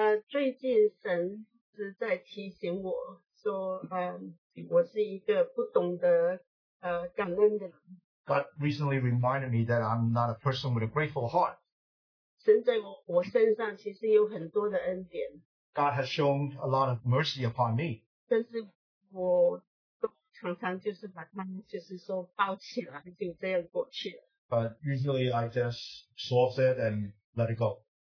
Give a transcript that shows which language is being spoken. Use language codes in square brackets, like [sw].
[zh] 最近神一直在提醒我说，我是一个不懂得感恩的人。 [en] God recently reminded me that I'm not a person with a grateful heart. [zh] 神在我身上其实有很多的恩典。 [en] God has shown a lot of mercy upon me. [zh] 但是我 常常就是把他们就是说包起来，就这样过去了。 [en] But usually I just solve it and let it go.